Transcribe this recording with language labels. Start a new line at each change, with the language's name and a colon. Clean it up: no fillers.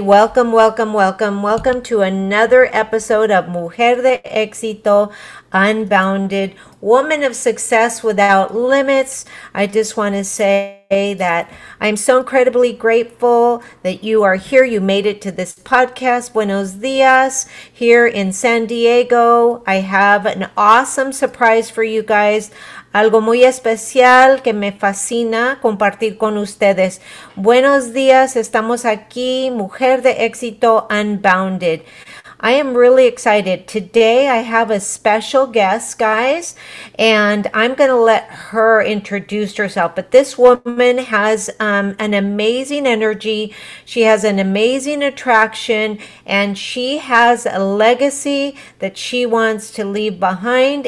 English: Welcome to another episode of Mujer de Éxito, Unbounded, Woman of Success Without Limits. I just want to say that I'm so incredibly grateful that you are here. You made it to this podcast.
Spanish: Buenos días,
English: here in San Diego. I have an awesome surprise for you guys.
Spanish: Algo muy especial que me fascina compartir con ustedes. Buenos días, estamos aquí, Mujer de Éxito Unbounded.
English: I am really excited. Today I have a special guest, guys, and I'm going to let her introduce herself. But this woman has an amazing energy. She has an amazing attraction, and she has a legacy that she wants to leave behind.